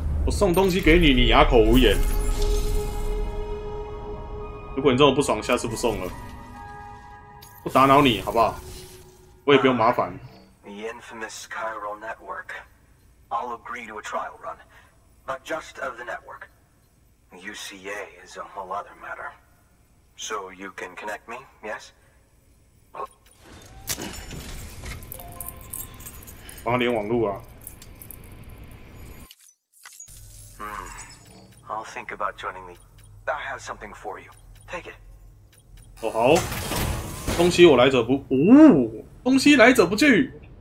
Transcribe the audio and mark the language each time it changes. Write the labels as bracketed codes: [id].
[zh] 送东西给你，你哑口无言。如果你这么不爽，下次不送了。不打扰你，好不好？我也不用麻烦。 [en] The infamous chiral network. I'll agree to a trial run, but just of the network. UCA is a whole other matter. So you can connect me, yes? [zh] 帮他连网路啊。 [en] I'll think about joining me. I have something for you. Take it. [zh] 哦，好，东西我来者不，东西来者不拒。